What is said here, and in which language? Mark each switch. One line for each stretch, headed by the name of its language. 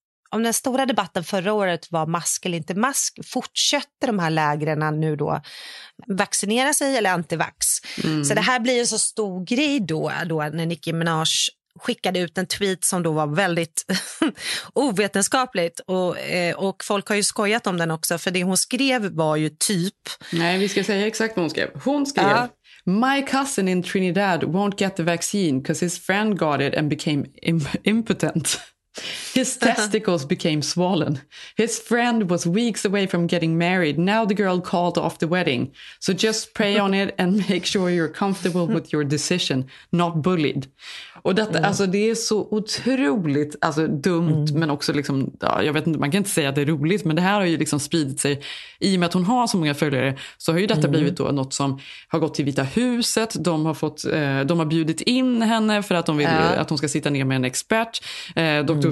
Swedish: Om den stora debatten förra året var mask eller inte mask, fortsätter de här lägren nu då vaccinera sig eller antivax? Så det här blir ju så stor grej då när Nicki Minaj skickade ut en tweet som då var väldigt ovetenskapligt. Och folk har ju skojat om den också, för det hon skrev var ju typ... Nej, vi ska säga exakt vad hon skrev. Hon skrev...
English: My cousin in Trinidad won't get the vaccine because his friend got it and became impotent. His testicles became swollen. His friend was weeks away from getting married. Now the girl called off the wedding. So just pray on it and make sure you're comfortable with your decision, not bullied.
Swedish: Och detta, alltså det är så otroligt, alltså dumt, men också liksom, ja, jag vet inte, man kan inte säga att det är roligt, men det här har ju liksom spridit sig. I och med att hon har så många följare, så har ju detta blivit då något som har gått till Vita huset. De har fått, de har bjudit in henne för att de vill att hon ska sitta ner med en expert. Dr.